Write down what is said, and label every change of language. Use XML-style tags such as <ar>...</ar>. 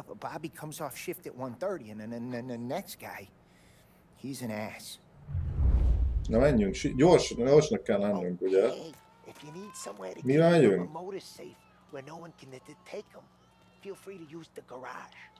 <en>Bobby comes off shift at 1:30 and then the next guy, he's an ass.</en> <hu>Na menjünk, gyorsnak kell lennünk, ugye?</hu> <en>If you need somewhere to get a motor safe where no one can take them, feel free to use the garage.</en>